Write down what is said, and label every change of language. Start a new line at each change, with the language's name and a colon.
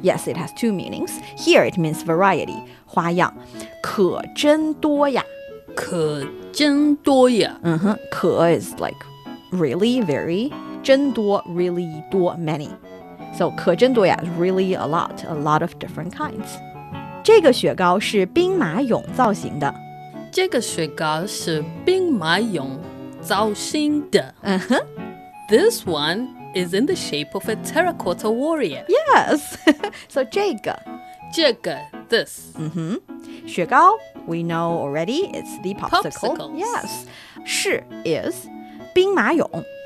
English: Yes, it has two meanings. Here it means variety. 花样。
Chinese: 可真多呀。可真多呀。
English: 可 is like really, very. 真多 really 多 many. So 可真多呀 is really a lot of different kinds.
Chinese: 这个雪糕是兵马俑造型的。这个雪糕是兵马俑造型的。
English: This one is in the shape of a terracotta warrior. Yes. So 这个。这个 this. 雪糕 we know already it's the popsicle. Popsicles. Yes. 是 is 兵马俑。